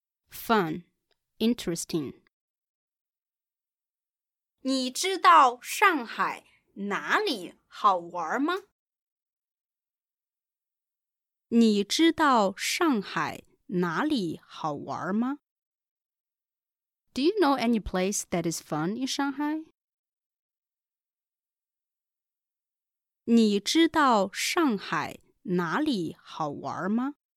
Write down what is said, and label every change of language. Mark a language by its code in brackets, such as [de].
[en] Fun, interesting. [zh] 你知道上海哪里好玩吗？你知道上海哪里好玩吗 [en] ？Do you know any place that is fun in Shanghai？ [zh] 你知道上海哪里好玩吗？